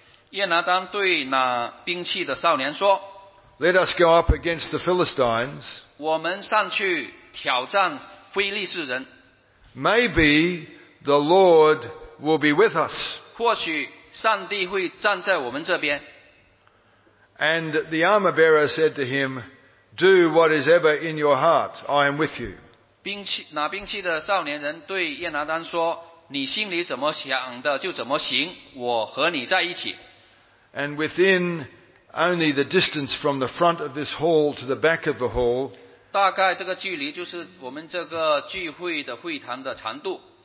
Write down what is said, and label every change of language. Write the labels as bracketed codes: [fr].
[zh] 耶拿丹对那兵器的少年说, [en] Let us go up against the Philistines. [zh] 我们上去挑战非利士人。 [en] Maybe the Lord will be with us. [zh] 或许上帝会站在我们这边。 [en] And the armor bearer said to him, Do what is ever in your heart. I am with you. [zh] 那兵器的少年人对耶拿丹说，你心里怎么想的就怎么行，我和你在一起。 [en] And within only the distance from the front of this hall to the back of the hall, [zh] 大概这个距离就是我们这个聚会的会堂的长度。